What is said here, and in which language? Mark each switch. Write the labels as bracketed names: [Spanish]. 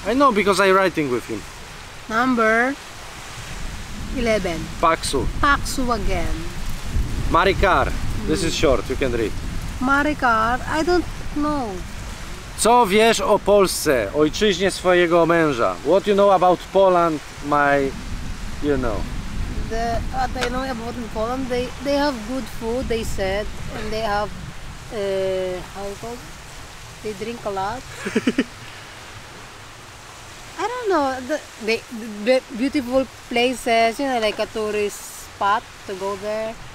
[English] I know, because I'm writing with him. Number 11. Paksu. Paksu again. Marikar, this is short, you can read. Marikar, I don't know. [Polish] Co wiesz o Polsce, ojczyźnie swojego męża? [English] What you know about Poland, my, you know? What I know about Poland, they have good food, they said, and they have, how it called? They drink a lot. I don't know, the beautiful places, you know, like a tourist spot to go there.